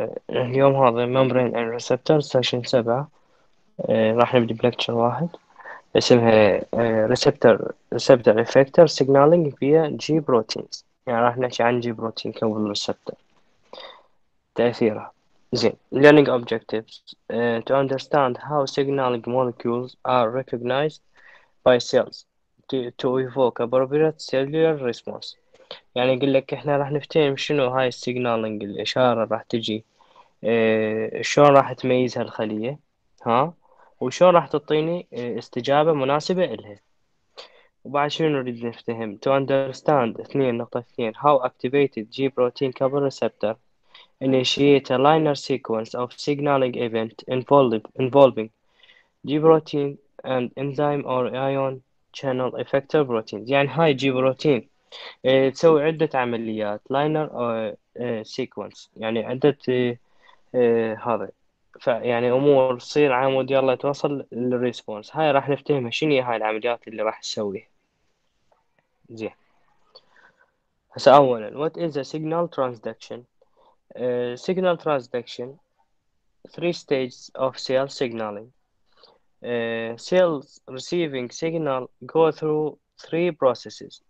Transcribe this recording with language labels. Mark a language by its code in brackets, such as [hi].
[ar] اليوم هذا [en] membrane and receptor session 7. [ar] راح نبدأ بلكتشر واحد اسمها [en] receptor effector signaling via G proteins. [ar] يعني راح نحكي عن G protein كمبل receptor تأثيرها. زين. [en] learning objectives to understand how signaling molecules are recognized by cells to evoke appropriate cellular response. [ar] يعني يقول لك احنا راح نفتهم شنو هاي السيجنالينج، الاشاره راح تجي شلون راح تميزها الخليه، ها، وشلون راح تعطيني استجابه مناسبه لها. وبعد شنو نريد نفتهم؟ [en] to understand 2.2 how activated G protein cover receptor initiate a linear sequence of signaling event involving G protein and enzyme or ion channel effector proteins. [ar] يعني هاي جي بروتين تسوي عدة عمليات لاينر او سيكونس، يعني عدة هذا، ف يعني امور تصير عمود يلا توصل للريسبونس. هاي راح نفتهمها شنو هي هاي العمليات اللي راح تسويها. زين، هسا اولا [en] what is a signal transduction؟ signal transduction 3 stages of cell signaling. cells receiving signal go through three processes.